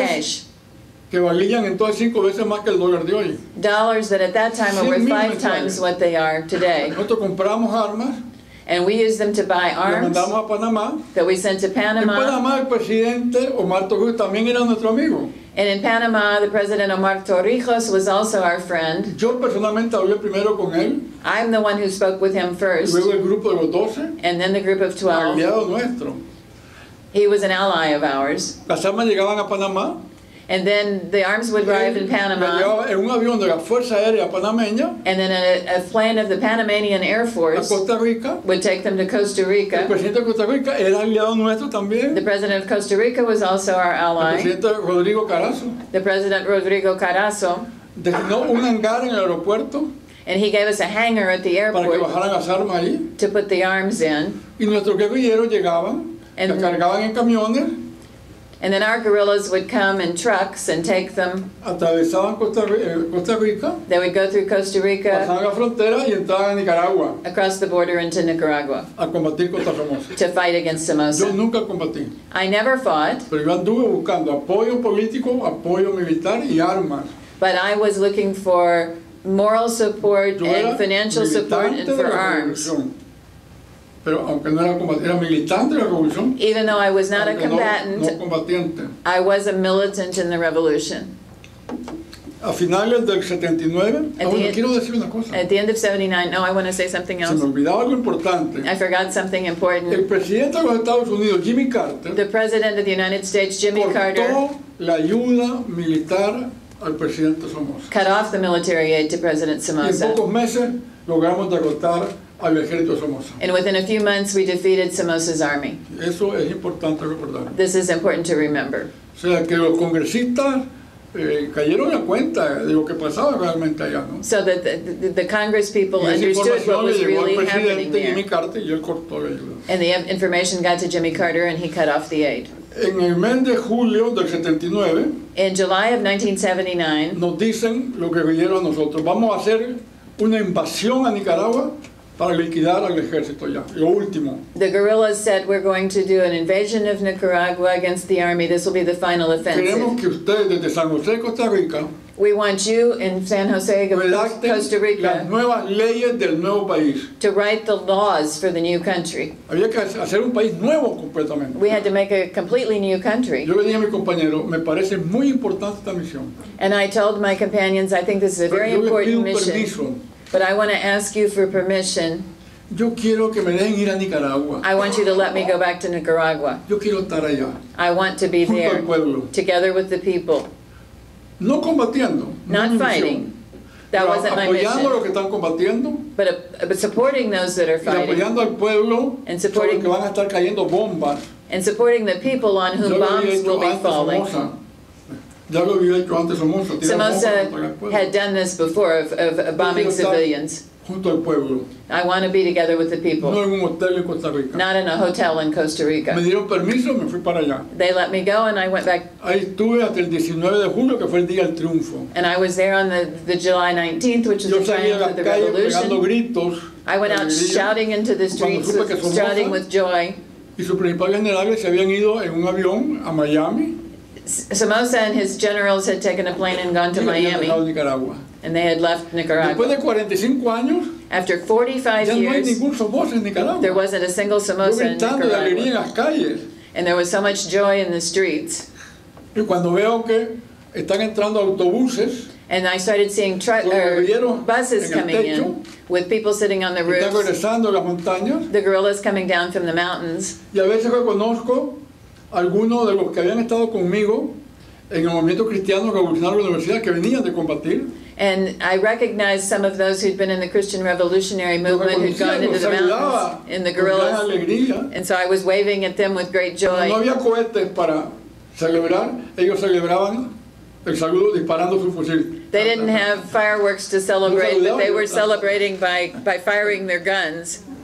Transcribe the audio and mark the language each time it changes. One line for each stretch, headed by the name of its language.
English: in cash.
Spanish: Que valían entonces 5 veces más que el dólar de hoy.
English: Dollars that at that time were worth 5
Spanish: mensuales.
English: Times what they are today.
Spanish: Nosotros compramos armas.
English: And we used them to buy arms.
Spanish: Las mandamos a Panamá.
English: That we sent to Panama.
Spanish: En Panamá el presidente Omar Torrijos también era nuestro amigo.
English: And in Panama, the president Omar Torrijos was also our friend.
Spanish: Yo personalmente hablé primero con él.
English: I'm the one who spoke with him first.
Spanish: Luego el grupo de los 12.
English: And then the group of 12.
Spanish: Aliado nuestro.
English: He was an ally of ours.
Spanish: Las armas llegaban a Panamá.
English: And then the arms would arrive in Panama.
Spanish: Me llevaba en un avión de la Fuerza Aérea Panameña.
English: And then a plane of the Panamanian Air Force
Spanish: a Costa Rica.
English: Would take them to Costa Rica.
Spanish: El presidente de Costa Rica era aliado nuestro también.
English: The president of Costa Rica was also our ally.
Spanish: El presidente Rodrigo Carazo.
English: The president Rodrigo Carazo.
Spanish: Designó un hangar en el aeropuerto.
English: And he gave us a hangar at the airport.
Spanish: Para que bajaran las armas ahí.
English: To put the arms in.
Spanish: Y nuestros guerrilleros llegaban. And las cargaban en camiones.
English: And then our guerrillas would come in trucks and take them.
Spanish: Atravesaban Costa Rica.
English: They would go through Costa Rica.
Spanish: Pasaban la frontera y entraban a Nicaragua.
English: Across the border into Nicaragua.
Spanish: A combatir contra Somoza.
English: To fight against Somoza.
Spanish: Yo nunca combatí.
English: I never fought.
Spanish: Pero yo anduve buscando apoyo político, apoyo militar y armas.
English: But I was looking for moral support and financial support and for arms.
Spanish: Pero aunque no era combatiente, era militante de la revolución.
English: Even though I was not a combatant,
Spanish: no combatiente.
English: I was a militant in the revolution.
Spanish: A finales del 79, quiero decir una cosa.
English: At the end of 79, no, I want to say something else.
Spanish: Se me olvidaba algo importante.
English: I forgot something important.
Spanish: El presidente de los Estados Unidos, Jimmy Carter,
English: the president of the United States, Jimmy Carter,
Spanish: cortó la ayuda militar al presidente Somoza.
English: Cut off the military aid to President Somoza.
Spanish: Y en pocos meses logramos derrotar.
English: And within a few months, we defeated Somoza's army.
Spanish: Eso es importante recordar.
English: This is important to remember.
Spanish: O sea, que los congresistas cayeron a cuenta de lo que pasaba realmente allá, ¿no?
English: So that the Congress people
Spanish: y
English: understood what was really happening there.
Spanish: Llegó al presidente Jimmy Carter y él cortó la ayuda.
English: And the information got to Jimmy Carter and he cut off the aid.
Spanish: En el mes de julio del 79.
English: In July of 1979.
Spanish: Nos dicen lo que vinieron a nosotros. Vamos a hacer una invasión a Nicaragua. Para liquidar al ejército ya, lo último.
English: The guerrillas said we're going to do an invasion of Nicaragua against the army. This will be the final offensive.
Spanish: Queremos que ustedes desde San José, Costa Rica.
English: We want you in San Jose, Costa Rica.
Spanish: Las nuevas leyes del nuevo país.
English: To write the laws for the new country.
Spanish: Había que hacer un país nuevo completamente.
English: We had to make a completely new country.
Spanish: Yo le dije a mi compañero, me parece muy importante esta misión.
English: And I told my companions, I think this is a very important mission.
Spanish: Pero yo le pido un permiso.
English: But I want to ask you for permission.
Spanish: Yo quiero que me dejen ir a Nicaragua.
English: I want you to let me go back to Nicaragua.
Spanish: Yo quiero estar allá.
English: I want to be there.
Spanish: Junto al pueblo.
English: Together with the people.
Spanish: No combatiendo.
English: Not fighting. That wasn't my mission.
Spanish: Apoyando a los que están combatiendo.
English: But supporting those that are fighting.
Spanish: Y apoyando al pueblo.
English: And supporting.
Spanish: Sobre que van a estar cayendo bombas.
English: And supporting the people on whom bombs will be falling.
Spanish: Ya lo había hecho antes Somoza.
English: Somoza had done this before of bombing civilians.
Spanish: Junto al pueblo.
English: I want to be together with the people.
Spanish: No en un hotel en Costa Rica.
English: Not in a hotel in Costa Rica.
Spanish: Me dieron permiso, me fui para allá.
English: They let me go and I went back.
Spanish: Ahí estuve hasta el 19 de julio, que fue el día del triunfo.
English: And I was there on the July 19th, which is
Spanish: yo
English: the triumph of the revolution.
Spanish: Gritos,
English: I went out shouting into the streets, shouting with joy.
Spanish: Y sus principales generales se habían ido en un avión a Miami.
English: Somoza and his generals had taken a plane and gone to Miami. And they had left Nicaragua.
Spanish: Después de 45 años,
English: after 45
Spanish: ya no
English: years,
Spanish: hay ningún Somoza en Nicaragua.
English: There wasn't a single Somoza
Spanish: yo gritando
English: in Nicaragua.
Spanish: De alegría en las calles.
English: And there was so much joy in the streets.
Spanish: Y cuando veo que están entrando autobuses,
English: and I started seeing buses coming
Spanish: techo,
English: in with people sitting on the roofs.
Spanish: Están regresando las montañas,
English: the guerrillas coming down from the mountains.
Spanish: Y a veces reconozco algunos de los que habían estado conmigo en el movimiento cristiano revolucionario de la universidad que venían de combatir.
English: And I recognized some of those who'd been in the Christian Revolutionary Movement, who'd gone into the mountains in the guerrillas. And so I was waving at them with great joy.
Spanish: No había cohetes para celebrar. Ellos celebraban el saludo disparando su fusil.
English: They didn't have fireworks to celebrate, but they were celebrating by firing their guns.